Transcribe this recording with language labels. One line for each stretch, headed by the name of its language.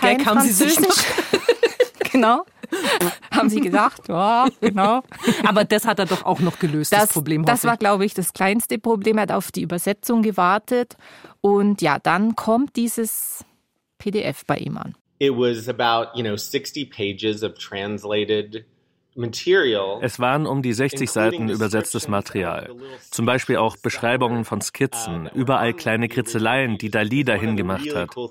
German: kein Gag haben sie sich noch. Genau. Haben sie gedacht, ja, genau. Aber das hat er doch auch noch gelöst, das Problem. Das war, glaube ich, das kleinste Problem. Er hat auf die Übersetzung gewartet. Und ja, dann kommt dieses PDF bei ihm an.
English: It was about, you know, 60 pages of translated material.
German: Es waren um die 60 Seiten übersetztes Material. Zum Beispiel auch Beschreibungen von Skizzen, überall kleine Kritzeleien, die Dalí dahin gemacht hat.